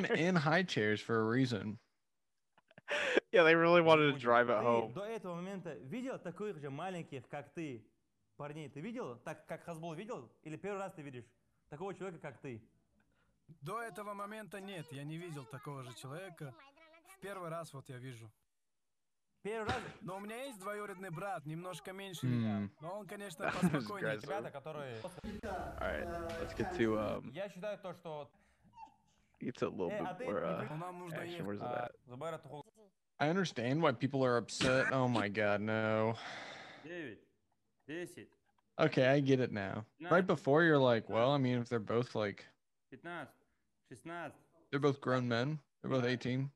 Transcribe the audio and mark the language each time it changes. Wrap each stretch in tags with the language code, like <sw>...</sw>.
<en>They put them in high chairs for a reason. Yeah, they really wanted to drive it home.</en> <ru>До этого момента видел таких же маленьких, как ты, парней? Ты видел, так как Хасбул видел, или первый раз ты видишь такого человека, как ты? До этого момента нет, я не видел такого же человека. В первый раз вот я вижу. Первый раз? Но у меня есть двоюродный брат, немножко меньше меня. Но он, конечно, поспокойнее. Ребята, которые...</ru> <en>Alright, let's get to...</en> <ru>Я считаю то, что...</ru> <en>It's a little bit more, action, where's it at? I understand why people are upset. Oh my god, no. Okay, I get it now. Right before, you're like, well, I mean, if they're both like... They're both grown men. They're both 18.</en>